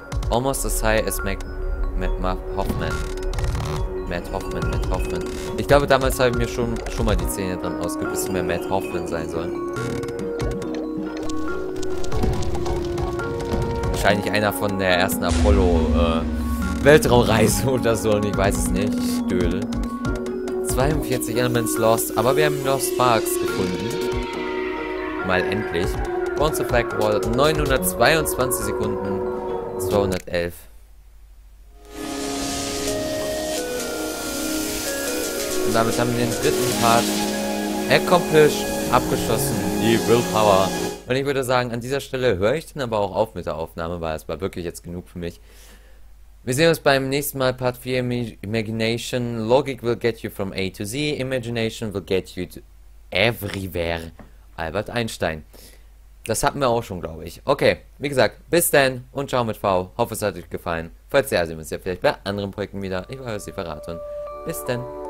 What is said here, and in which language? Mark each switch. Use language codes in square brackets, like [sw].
[en] Almost as high as Matt Hoffman. Matt Hoffman. [de] Ich glaube, damals habe ich mir schon mal die Zähne dran ausgebissen, wer Matt Hoffman sein soll. Wahrscheinlich einer von der ersten Apollo-Weltraumreise oder so, und ich weiß es nicht. Stöhle. 42 Elements Lost, aber wir haben Lost Sparks gefunden. Mal endlich. Bounce of Black Wall, 922 Sekunden, 211. Und damit haben wir den dritten Part accomplished, abgeschossen, die Willpower. Und ich würde sagen, an dieser Stelle höre ich dann aber auch auf mit der Aufnahme, weil es war wirklich jetzt genug für mich. Wir sehen uns beim nächsten Mal, Part 4, Imagination. [en] Logic will get you from A to Z. Imagination will get you to everywhere. Albert Einstein. [de] Das hatten wir auch schon, glaube ich. Okay, wie gesagt, bis dann und ciao mit V. Hoffe, es hat euch gefallen. Falls ja, sehen wir uns ja vielleicht bei anderen Projekten wieder. Ich werde es dir verraten. Bis dann.